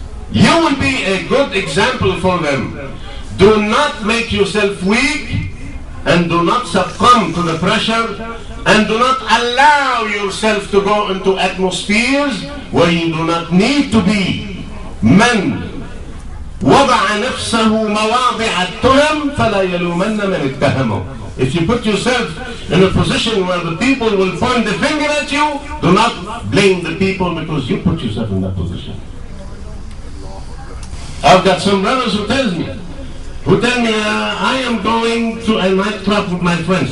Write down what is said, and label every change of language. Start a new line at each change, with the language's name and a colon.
English: You will be a good example for them. Do not make yourself weak, and do not succumb to the pressure, and do not allow yourself to go into atmospheres where you do not need to be. Men,
Arabic: وضع نفسه مواضع التهم فلا يلومن من اتهمه.
English: If you put yourself in a position where the people will point the finger at you, do not blame the people because you put yourself in that position. I've got some brothers who tell me, I am going to a nightclub with my friends.